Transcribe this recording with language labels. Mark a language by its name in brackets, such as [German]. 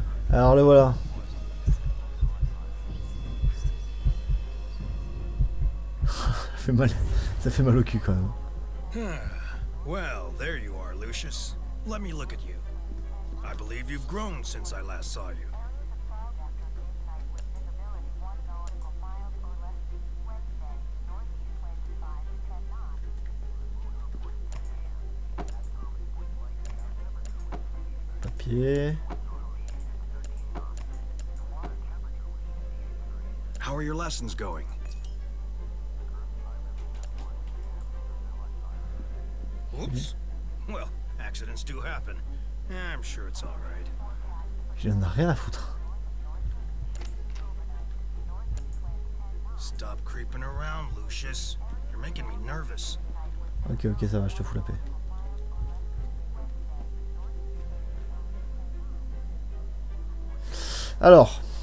[French] Alors le voilà. Ça fait mal au cul quand même. [English] Well, there you are, Lucius. Let me look at you. I believe you've grown since I last saw you. [French] Papier. [English] How are your lessons going? Oops. Well, accidents do happen. I'm sure it's all right. [French] J'en ai rien à foutre. [English] Stop creeping around, Lucius. You're making me nervous. [French] Ok, ok, ça va, je te fous la paix. Alors.